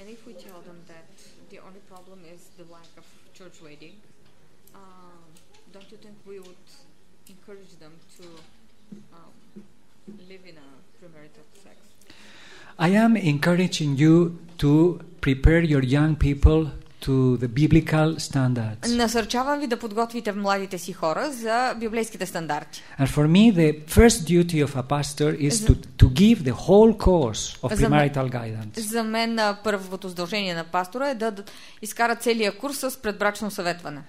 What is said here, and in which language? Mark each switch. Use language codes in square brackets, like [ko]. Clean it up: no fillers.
[en] And if we tell them that the only problem is the lack of church wedding, don't you think we would encourage them to live in a premarital sex? I am encouraging you to prepare your young people to the biblical standards. [bg] Насърчавам ви да подготвите младите си хора за библейските стандарти. [en] And for me, the first duty of a pastor is to give the whole course of premarital guidance. [bg] За мен първото задължение на пастора е да изкара целия курс с предбрачно съветване.